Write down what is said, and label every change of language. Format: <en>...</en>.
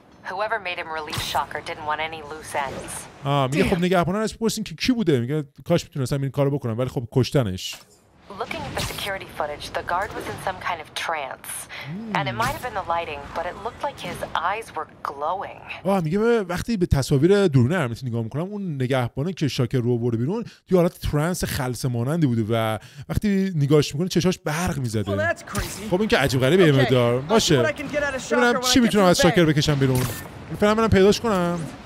<en>Whoever made him release Shocker didn't want any loose ends.</en> <fa>میگه خب نگهبانان ازش پرسین که کی بوده، میگه کاش میتونستم این کارو بکنم ولی خب کشتنش.</fa> <en>Looking at the security footage, the guard was in some kind of trance. And it might have been the lighting, but it looked like his eyes were glowing.</en> <fa>میگه وقتی به تصاویر دورنه هرمیتی نگاه میکنم، اون نگهبانه که شاکر رو برده بیرون توی حالت ترانس خلص مانندی بوده و وقتی نگاهش میکنه چشاش برق میزده. خب این که عجیب غریبه. okay. امیدار باشه ببینم چی میتونم از شاکر بکشم بیرون. میفرم برم پیداش کنم.</fa>